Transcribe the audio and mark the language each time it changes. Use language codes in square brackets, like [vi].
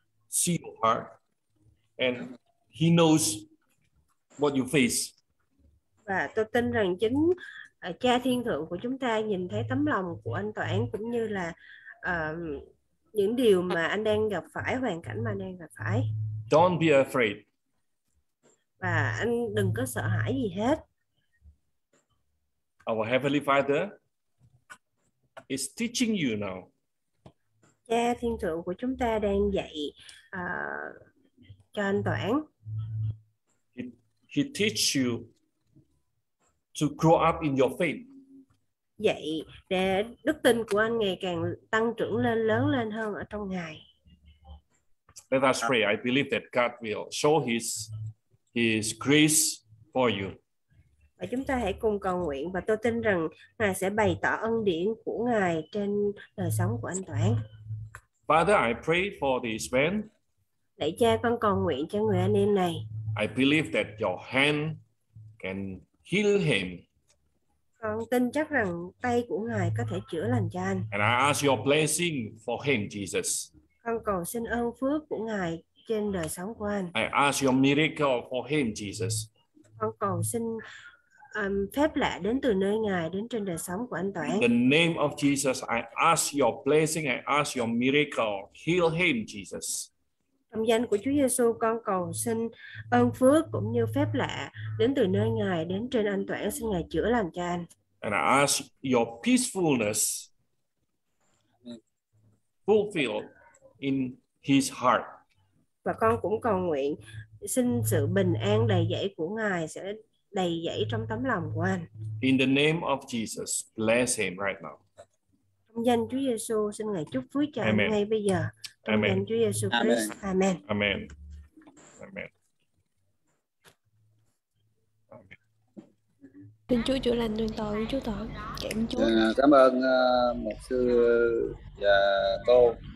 [en] see your heart and He knows what you face. [vi] Và tôi tin rằng chính Cha Thiên Thượng của chúng ta nhìn thấy tấm lòng của anh Toản cũng như là những điều mà anh đang gặp phải, hoàn cảnh mà anh đang gặp phải. [en] Don't be afraid. [vi] Và anh đừng có sợ hãi gì hết. [en] Our Heavenly Father is teaching you now. [vi] Cha Thiên Thượng của chúng ta đang dạy cho anh Toản. [en] He teaches you to grow up in your faith. [vi] Dạy để đức tin của anh ngày càng tăng trưởng lên, lớn lên hơn ở trong Ngài. [en] Let us pray. I believe that God will show His grace for you. [vi] Và chúng ta hãy cùng cầu nguyện và tôi tin rằng Ngài sẽ bày tỏ ân điển của Ngài trên đời sống của anh Toản. [en] Father, I pray for this man. [vi] Lạy Cha, con cầu nguyện cho người anh em này. [en] I believe that your hand can heal him. [vi] Con tin chắc rằng tay của Ngài có thể chữa lành cho anh. [en] And I ask your blessing for him, Jesus. [vi] Con cầu xin ơn phước của Ngài trên đời sống của anh. [en] I ask your miracle for him, Jesus. [vi] Con cầu xin phép lạ đến từ nơi Ngài đến trên đời sống của anh Toản. [en] In the name of Jesus, I ask your blessing, I ask your miracle, heal him, Jesus. [vi] Trong danh của Chúa Giêsu, con cầu xin ơn phước cũng như phép lạ đến từ nơi Ngài đến trên anh Toản, xin Ngài chữa lành cho anh. [en] And I ask your peacefulness fulfilled in his heart. [vi] Và con cũng cầu nguyện xin sự bình an đầy dẫy của Ngài sẽ đầy dẫy trong tấm lòng của anh. [en] In the name of Jesus, bless him right now. [vi] Trong danh Chúa Giêsu, xin Ngài chúc phước cho anh ngay bây giờ. [en] Amen. Amen. Amen. Amen. Amen. [vi] Xin Chúa chữa lành đường tội của Chúa Toản. Cảm ơn Chúa. Cảm ơn một sư và cô.